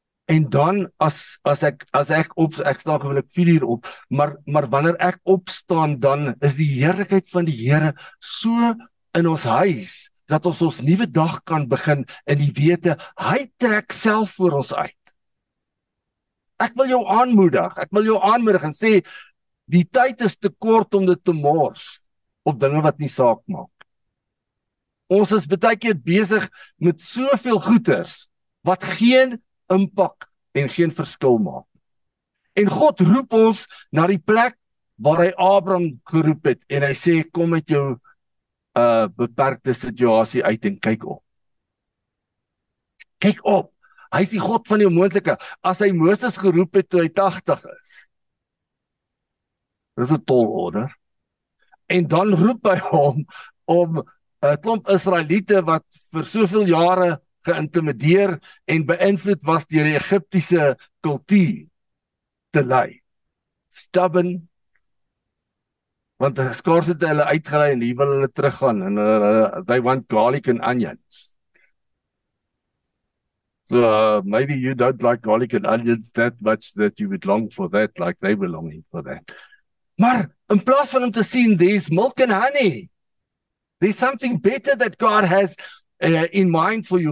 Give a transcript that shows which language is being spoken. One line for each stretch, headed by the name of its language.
Afrikaans: En dan, as ek sta gewoonlik 4 uur op, maar wanneer ek opstaan, dan is die heerlikheid van die Here so in ons huis, dat ons nuwe dag kan begin in die wete, hy trek self voor ons uit. Ek wil jou aanmoedig en sê, Die tyd is te kort om dit te mors op dinge wat nie saak maak. Ons is baie keer besig met soveel goeders wat geen impak en geen verskil maak. En God roep ons na die plek waar hy Abraham geroep het en hy sê kom met jou beperkte situasie uit en kyk op. Kyk op. Hy is die God van die onmoontlike. As hy Moses geroep het toe hy 80 is. Dis 'n tolorde. En dan roep hy hom om 'n klomp Israeliete wat vir soveel jare geïntimideer en beïnvloed was deur die Egiptiese kultuur te lei.
English: Stubborn.
Afrikaans: Want skors het hulle uitgeraai en hier wil hulle teruggaan en
English: they want garlic and onions. So maybe you don't like garlic and onions that much that you would long for that like they were longing for that.
Afrikaans: Maar in plaas van om te sien
English: there's milk and honey, there's something better that God has in mind for you.